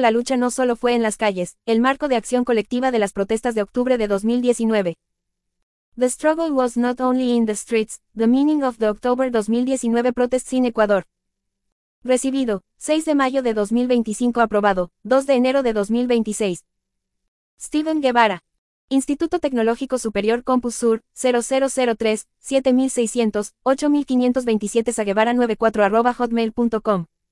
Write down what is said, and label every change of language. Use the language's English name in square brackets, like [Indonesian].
[Spanish] La lucha no solo fue en las calles, el marco de acción colectiva de las protestas de octubre de 2019. [English] The struggle was not only in the streets, the meaning of the October 2019 protests in Ecuador. [Spanish] Recibido, 6 de mayo de 2025 aprobado, 2 de enero de 2026. Steven Guevara. Instituto Tecnológico Superior Campus Sur, 0003-7600-8527 saguevara94@hotmail.com.